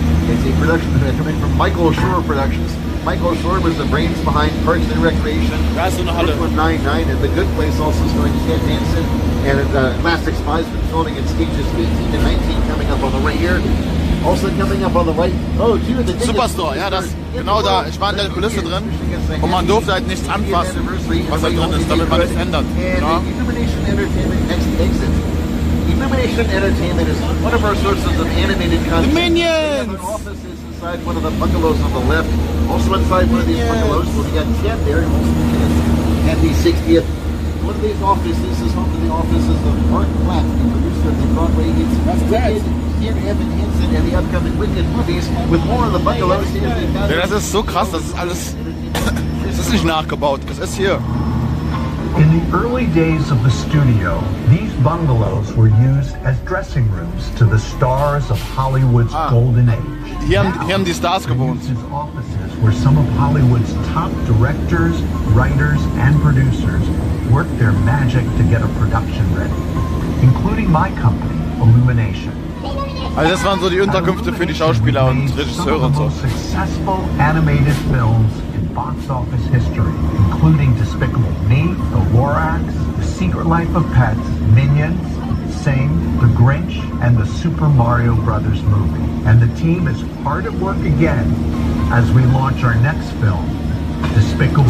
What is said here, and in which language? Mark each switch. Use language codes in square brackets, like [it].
[en] It's a production that's coming from Michael Shore Productions. Michael Shore was the brains behind Parks and Recreation, Brooklyn Nine-Nine, and The Good Place, also starring Ted Danson. And Elastic Spies has been filming in stages 18 to 19, coming up on the right here. Also coming up on the right. Oh, two of the tickets. [de] Superstore, ja, das. Genau da, ich war in der Kulisse drin und man durfte halt nichts anfassen, was da drin ist, damit man nichts ändert. [en] Illumination Entertainment, next exit. Illumination Entertainment is one of our sources of animated content. The Minions! We have an office inside one of the bungalows on the left. Also inside one of these bungalows, we've got Chad Berry, at the 60th. One of these offices is home to the offices of Mark Platt, the producer of the Broadway hits Wicked, Dear Evan Hansen, and the upcoming Wicked movies, with more of the bungalows [de] here. Das ist so krass, das ist alles. Das ist nicht nachgebaut, das ist hier. [en] In the early days of the studio, these bungalows were used as dressing rooms to the stars of Hollywood's golden age. [de] Hier haben die Stars gewohnt. [en] His offices were some of Hollywood's top directors, writers and producers worked their magic to get a production ready, including my company, Illumination. [de] Also das waren so die Unterkünfte für die Schauspieler und Regisseure und so. [en] Successful animated films in box office history, including Despicable Me, The Lorax, The Secret Life of Pets, Minions, Sing, The Grinch, and the Super Mario Brothers movie. And the team is hard at work again as we launch our next film, Despicable Me.